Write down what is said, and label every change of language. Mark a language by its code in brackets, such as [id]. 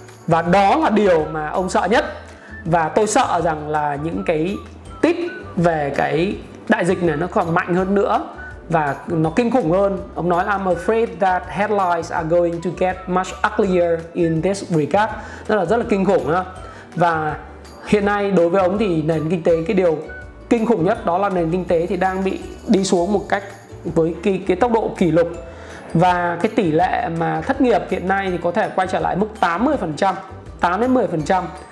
[vi] Và đó là điều mà ông sợ nhất. Và tôi sợ rằng là những cái tip về cái đại dịch này nó còn mạnh hơn nữa và nó kinh khủng hơn. Ông nói là [en] I'm afraid that headlines are going to get much uglier in this regard. [vi] Đó là rất là kinh khủng ha. Và hiện nay đối với ông thì nền kinh tế, cái điều kinh khủng nhất đó là nền kinh tế thì đang bị đi xuống một cách với cái tốc độ kỷ lục. Và cái tỷ lệ mà thất nghiệp hiện nay thì có thể quay trở lại mức 80%, 8-10%.